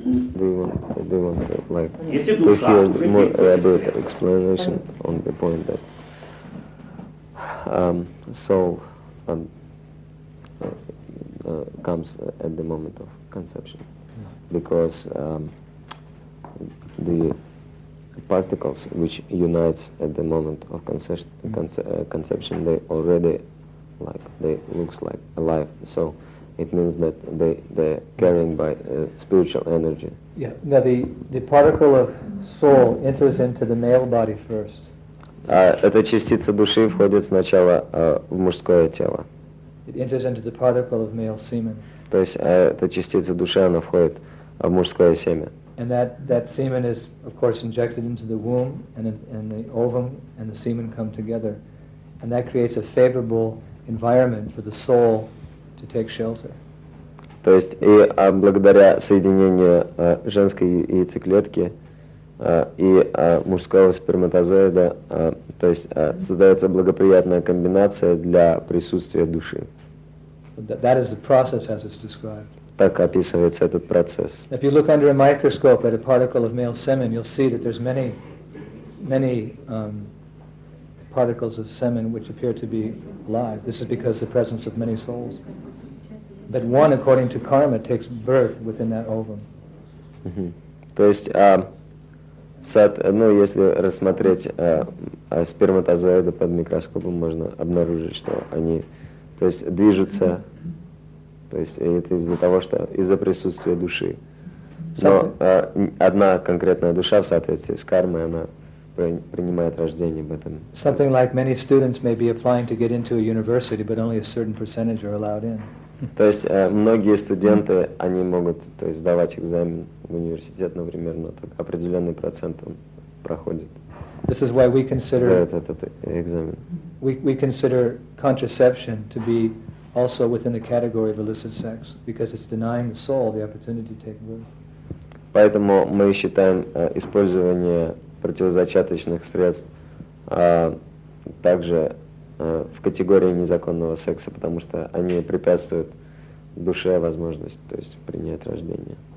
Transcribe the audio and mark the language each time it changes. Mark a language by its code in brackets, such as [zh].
[en] Do you want like explanation on the point that soul comes at the moment of conception, because the particles which unites at the moment of conception, they already they looks like alive. So it means that they're carrying by spiritual energy. Yeah. Now the particle of soul enters into the male body first. [ru] Эта частица души входит сначала в мужское тело. [en] It enters into the particle of male semen. [ru] То есть эта частица души, она входит в мужское семя. [en] And that semen is, of course, injected into the womb, and the ovum and the semen come together, and that creates a favorable environment for the soul to take shelter. [ru] То есть и благодаря соединению женской яйцеклетки и мужского сперматозоида, то есть создается благоприятная комбинация для присутствия души. [en] That is the process as it's described. [ru] Так описывается этот процесс. [en] If you look under a microscope at a particle of male semen, you'll see that there's many, many particles of semen which appear to be alive. This is because of the presence of many souls. But one, according to karma, takes birth within that ovum. [ru] То есть если рассмотреть сперматозоиды под микроскопом, можно обнаружить, что они, то есть, движутся, то есть это из-за того, что из-за присутствия души. Но одна конкретная душа в соответствии с кармой, она принимает рождение в этом. [en] Something like many students may be applying to get into a university, but only a certain percentage are allowed in. [ru] То есть многие студенты, они могут, то есть, сдавать экзамен в университет, например, но так определенный процент он проходит. [en] This is why we consider [ru] этот экзамен. [en] We consider contraception to be also within the category of illicit sex, because it's denying the soul the opportunity to take birth. [ru] Поэтому мы считаем использование противозачаточных средств также в категории незаконного секса, потому что они препятствуют душе возможность, то есть, принять рождение.